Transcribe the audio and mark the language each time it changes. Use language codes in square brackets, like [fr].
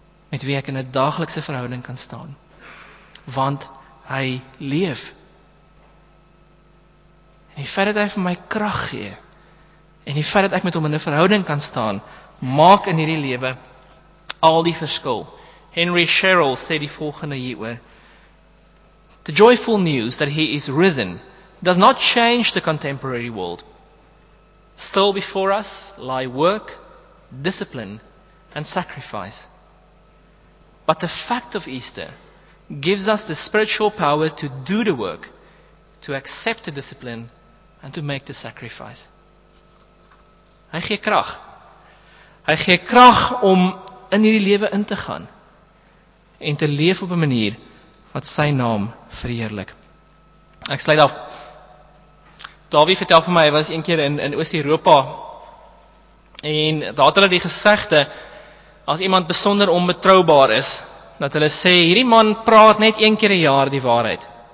[af] Met wie ek in 'n daaglikse verhouding kan staan. Want hy leef. En die feit dat hy vir my krag gee, en die feit dat ek met hom in 'n verhouding kan staan, maak in hierdie lewe al die verskil. Henry Sherrill sê die volgende hieroor, [en] The joyful news that he is risen does not change the contemporary world. Still before us lie work, discipline, and sacrifice. But the fact of Easter gives us the spiritual power to do the work, to accept the discipline, and to make the sacrifice. [af] Hy gee krag. Hy gee krag om in hierdie lewe in te gaan en te leef op 'n manier wat sy naam verheerlik. Ek sluit af. Dawie vertel vir my, hy was een keer in Oos-Europa en daar het hulle die gesegde, as iemand besonder onbetroubaar is, dat hulle sê, hierdie man praat net een keer een jaar die waarheid.